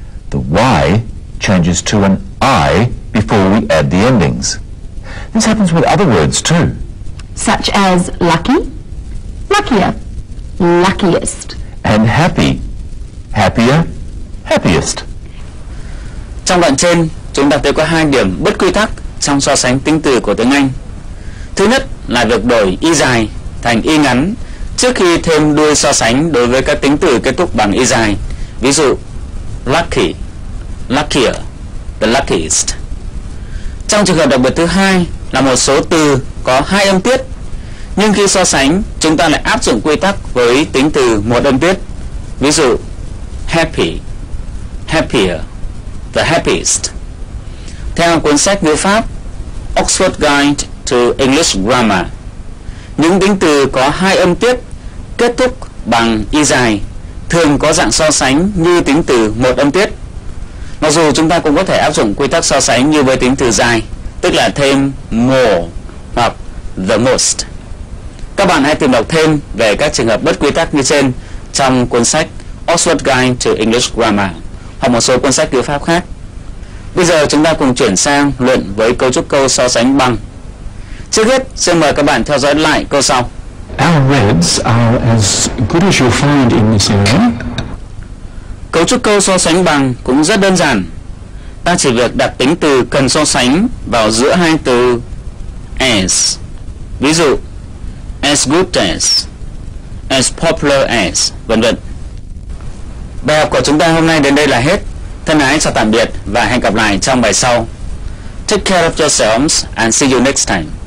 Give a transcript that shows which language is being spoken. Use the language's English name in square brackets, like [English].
[English] The y changes to an I before we add the endings. This happens with other words too. Such as lucky, luckier, luckiest. And happy, happier, happiest. [Vietnamese] Trong đoạn trên, chúng ta thấy có hai điểm bất quy tắc trong so sánh tính từ của tiếng Anh. Thứ nhất là việc đổi y dài thành y ngắn trước khi thêm đuôi so sánh đối với các tính từ kết thúc bằng y dài. Ví dụ, [English] lucky, luckier, the luckiest. [Vietnamese] Trong trường hợp đặc biệt thứ hai là một số từ có hai âm tiết, nhưng khi so sánh chúng ta lại áp dụng quy tắc với tính từ một âm tiết. Ví dụ, [English] happy, happier, the happiest. [Vietnamese] Theo cuốn sách ngữ pháp Oxford Guide to English Grammar, những tính từ có hai âm tiết kết thúc bằng y dài thường có dạng so sánh như tính từ một âm tiết. Mặc dù chúng ta cũng có thể áp dụng quy tắc so sánh như với tính từ dài, tức là thêm more hoặc the most. Các bạn hãy tìm đọc thêm về các trường hợp bất quy tắc như trên trong cuốn sách Oxford Guide to English Grammar hoặc một số cuốn sách ngữ pháp khác. Bây giờ chúng ta cùng chuyển sang luận với cấu trúc câu so sánh bằng. Trước hết, xin mời các bạn theo dõi lại câu sau. [English] Our reds are as good as you'll find in this area. [Vietnamese] Cấu trúc câu so sánh bằng cũng rất đơn giản. Ta chỉ việc đặt tính từ cần so sánh vào giữa hai từ as. Ví dụ, [English] as good as popular as, [Vietnamese] vân vân. Bài học của chúng ta hôm nay đến đây là hết. Thân ái chào tạm biệt và hẹn gặp lại trong bài sau. [English] Take care of yourselves and see you next time.